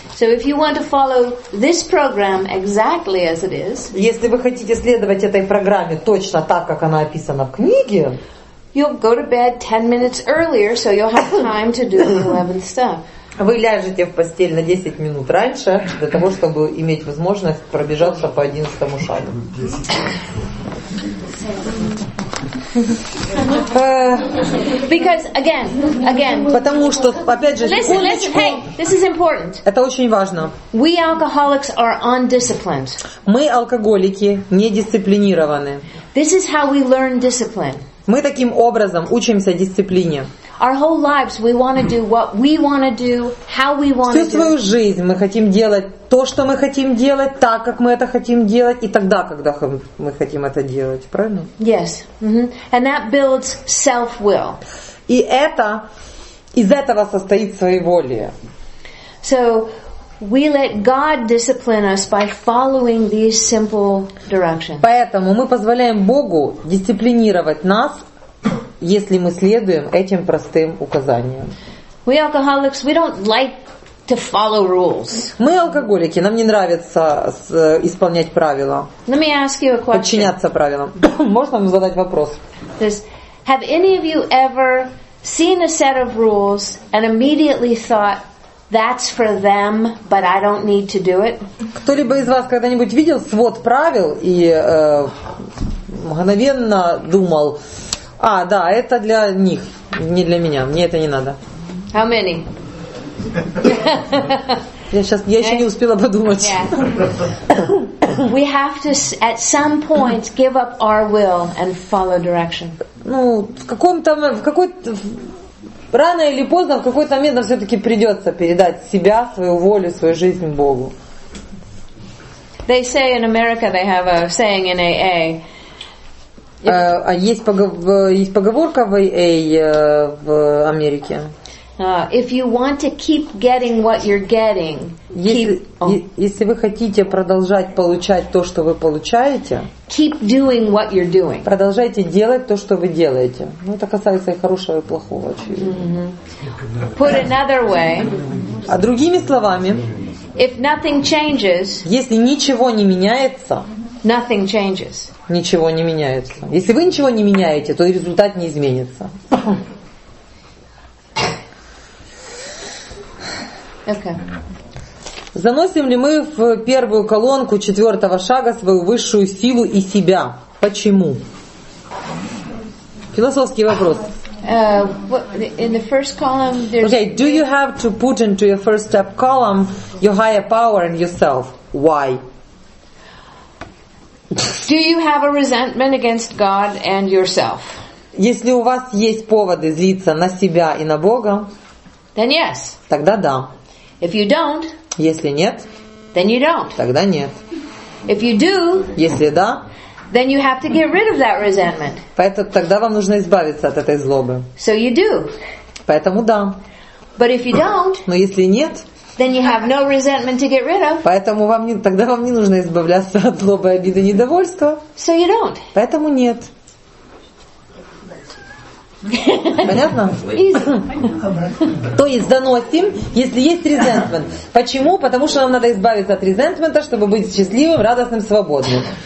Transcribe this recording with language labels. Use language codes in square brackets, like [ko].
[en] So if you want to follow this program exactly as it is. [ru] Если вы хотите следовать этой программе точно так, как она описана в книге. [en] You'll go to bed 10 minutes earlier, so you'll have time to do the 11th step. [ru] Вы ляжете в постель на 10 минут раньше для того, чтобы иметь возможность пробежаться по 11-му шагу. [en] Because again. [ru] Потому что опять же. [en] Listen. Hey, this is important. [ru] Это очень важно. [en] We alcoholics are undisciplined. [ru] Мы алкоголики недисциплинированы. [en] This is how we learn discipline. [ru] Мы таким образом учимся дисциплине. [en] Our whole lives we want to do what we want to do, how we want to do. [ru] Всю свою жизнь мы хотим делать то, что мы хотим делать, так, как мы это хотим делать, и тогда, когда мы хотим это делать, правильно? [en] Yes. Mm-hmm. And that builds self-will. [ru] И это из этого состоит своеволие. [en] So we let God discipline us by following these simple directions. [ru] Поэтому мы позволяем Богу дисциплинировать нас, если мы следуем этим простым указаниям. [en] We alcoholics, we don't like to follow rules. [ru] Мы алкоголики, нам не нравится исполнять правила. [en] Let me ask you a question. [ru] Подчиняться правилам. Можно вам задать вопрос? [en] Does, have any of you ever seen a set of rules and immediately thought, that's for them, but I don't need to do it? [ru] Кто-либо из вас когда-нибудь видел свод правил и мгновенно думал, а, да, это для них, не для меня, мне это не надо. [en] How many? [ru] Я еще не успела подумать. [en] Yeah. We have to at some point give up our will and follow direction. [ru] Ну, рано или поздно, в какой-то момент нам все-таки придется передать себя, свою волю, свою жизнь Богу. [en] They say in America they have a saying in AA. [ru] Есть поговорка в AA в Америке. [en] If you want to keep getting what you're getting, [ru] если вы хотите продолжать получать то, что вы получаете, [en] keep doing what you're doing. [ru] Продолжайте делать то, что вы делаете. Ну, это касается и хорошего, и плохого, очевидно. [en] Mm-hmm. Put another way. [ru] А другими словами, [en] If nothing changes, [ru] если ничего не меняется, [en] nothing changes. [ru] Ничего не меняется. Если вы ничего не меняете, то и результат не изменится. [en] Okay. [ru] Заносим ли мы в первую колонку четвертого шага свою высшую силу и себя? Почему? Философский вопрос. [en] In the first column, there's okay. Do you have to put into your first step column your higher power and yourself? Why? Do you have a resentment against God and yourself? [ru] Если у вас есть поводы злиться на себя и на Бога, [en] then yes. [ru] Тогда да. [en] If you don't, [ru] если нет, [en] then you don't. [ru] Тогда нет. [en] If you do, [ru] если да. [en] Then you have to get rid of that resentment. [ru] Поэтому тогда вам нужно избавиться от этой злобы. [en] So you do. [ru] Поэтому да. [en] But if you don't, [ru] но если нет, [en] then you have no resentment to get rid of. [ru] Поэтому вам не, тогда вам не нужно избавляться от злобы, обиды, недовольства. [en] So you don't. [ru] Поэтому нет. Понятно? То есть заносим, если есть resentment. Почему? Потому что нам надо избавиться от resentment, чтобы быть счастливым, радостным, свободным.